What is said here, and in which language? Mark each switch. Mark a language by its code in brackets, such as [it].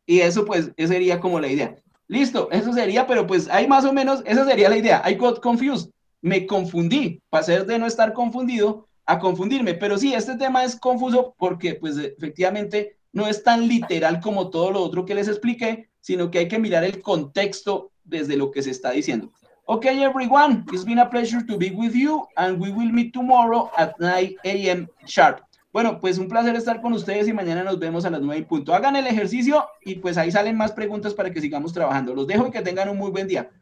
[es] Y eso pues esa sería como la idea. Listo, eso sería, pero pues ahí más o menos, esa sería la idea. [en] I got confused, [es] me confundí, pasé de no estar confundido a confundirme, pero sí, este tema es confuso porque pues efectivamente no es tan literal como todo lo otro que les expliqué, sino que hay que mirar el contexto desde lo que se está diciendo. [en] Ok, everyone, it's been a pleasure to be with you and we will meet tomorrow at 9 a.m. sharp. [es] Bueno, pues un placer estar con ustedes y mañana nos vemos a las 9 y punto. Hagan el ejercicio y pues ahí salen más preguntas para que sigamos trabajando. Los dejo y que tengan un muy buen día.